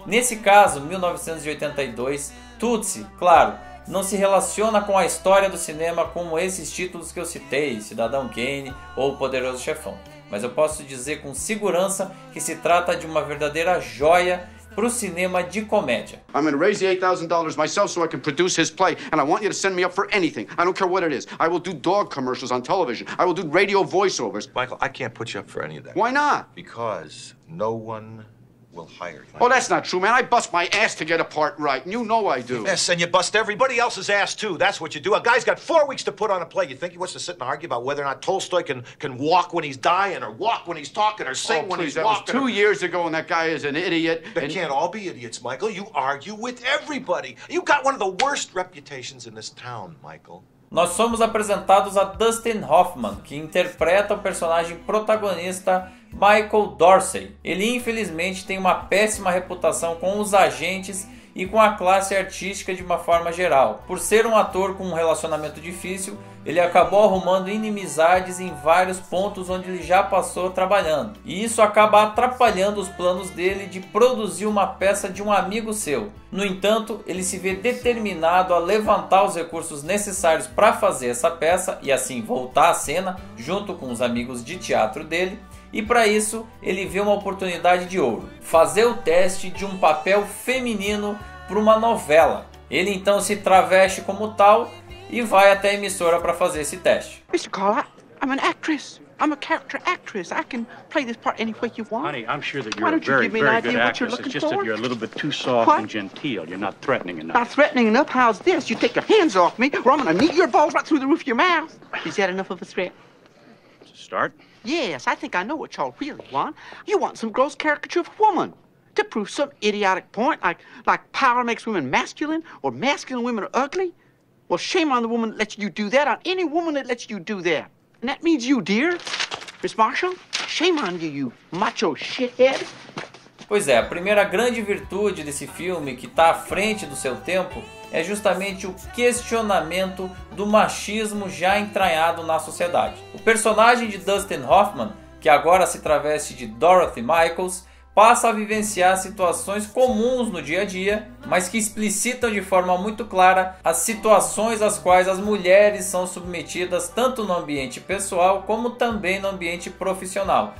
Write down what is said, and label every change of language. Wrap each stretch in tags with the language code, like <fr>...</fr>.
<pt>Nesse caso, 1982, Tootsie, claro, não se relaciona com a história do cinema como esses títulos que eu citei, Cidadão Kane ou O Poderoso Chefão. Mas eu posso dizer com segurança que se trata de uma verdadeira joia pro cinema de comédia.</pt> <en>I'm going to raise the $8,000 myself so I can produce his play, and I want you to send me up for anything. I don't care what it is. I will do dog commercials on television. I will do radio voiceovers. Michael, I can't put you up for any of that. Why not? Because no one will hire you. Oh, that's not true, man. I bust my ass to get a part right, and you know I do. Yes, and you bust everybody else's ass too. That's what you do. A guy's got 4 weeks to put on a play. You think he wants to sit and argue about whether or not Tolstoy can walk when he's dying, or walk when he's talking, or sing when he's walking? Oh, please, that was 2 years ago, and that guy is an idiot. They can't all be idiots, Michael. You argue with everybody. You got one of the worst reputations in this town, Michael.</en> <pt>Nós somos apresentados a Dustin Hoffman, que interpreta o personagem protagonista Michael Dorsey. Ele infelizmente tem uma péssima reputação com os agentes e com a classe artística de uma forma geral. Por ser um ator com um relacionamento difícil, ele acabou arrumando inimizades em vários pontos onde ele já passou trabalhando. E isso acaba atrapalhando os planos dele de produzir uma peça de um amigo seu. No entanto, ele se vê determinado a levantar os recursos necessários para fazer essa peça e assim voltar à cena junto com os amigos de teatro dele. E para isso, ele vê uma oportunidade de ouro, fazer o teste de um papel feminino para uma novela. Ele então se traveste como tal e vai até a emissora para fazer esse teste.</pt> <en>Mr. Carla, I'm an actress. I'm a character actress. I can play this part any way you want. Honey, I'm sure that you're a very, very good actress. It's just that you're a little bit too soft and genteel. You're not threatening enough. Not threatening enough? How's this? You take your hands off me, or I'm going to knee your balls right through the roof of your mouth. Is that enough of a threat? It's a start. Yes, I think I know what y'all really want. You want some gross caricature of a woman to prove some idiotic point, like power makes women masculine or masculine women are ugly. Well, shame on the woman that lets you do that, on any woman that lets you do that. And that means you, dear. Miss Marshall, shame on you, you macho shithead.</en> <pt>Pois é, a primeira grande virtude desse filme que está à frente do seu tempo é justamente o questionamento do machismo já entranhado na sociedade. O personagem de Dustin Hoffman, que agora se traveste de Dorothy Michaels, passa a vivenciar situações comuns no dia a dia, mas que explicitam de forma muito clara as situações às quais as mulheres são submetidas tanto no ambiente pessoal como também no ambiente profissional.</pt>